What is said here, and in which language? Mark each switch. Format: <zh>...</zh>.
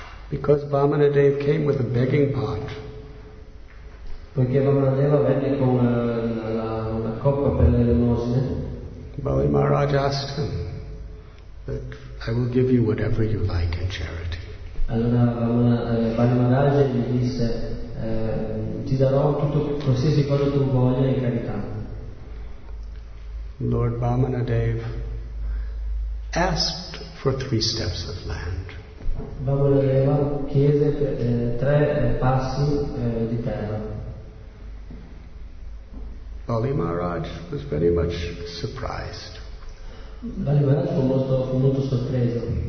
<en>Because Vamanadeva came with a begging pot.</en> <it>Perché Vamanadeva venne con la coppa per le elemosine.</it> <en>Bali Maharaj asked him that I will give you whatever you like in charity.</en> <it>Allora Bali Maharaj gli disse: ti darò tutto, qualsiasi cosa tu voglia in carità.</it> <en>Lord Vamanadeva asked for 3 steps of land.</en> <it>Vamanadeva chiese 3 passi di terra.</it> <en>Bali Maharaj was very much surprised.</en> <it>Bali Maharaj fu molto sorpreso.</it>